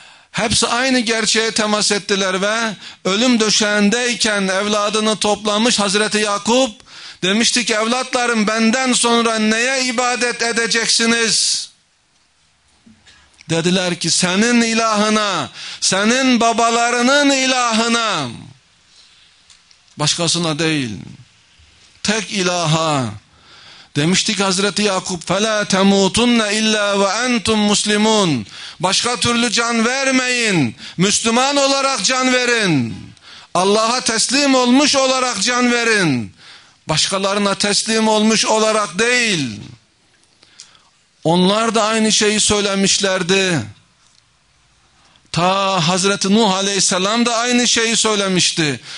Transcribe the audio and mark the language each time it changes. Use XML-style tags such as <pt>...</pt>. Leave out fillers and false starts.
<tr>Hepsi aynı gerçeğe temas ettiler ve ölüm döşeğindeyken evladını toplamış Hazreti Yakup demişti ki evlatlarım benden sonra neye ibadet edeceksiniz? Dediler ki senin ilahına, senin babalarının ilahına, başkasına değil, tek ilaha, Demiştik Hazreti Yakup,</tr> <ar>فَلَا تَمُوتُنَّ اِلَّا وَاَنْتُمْ مُسْلِمُونَ.</ar> <tr>Başka türlü can vermeyin, Müslüman olarak can verin, Allah'a teslim olmuş olarak can verin, başkalarına teslim olmuş olarak değil. Onlar da aynı şeyi söylemişlerdi. Ta Hazreti Nuh Aleyhisselam da aynı şeyi söylemişti.</tr>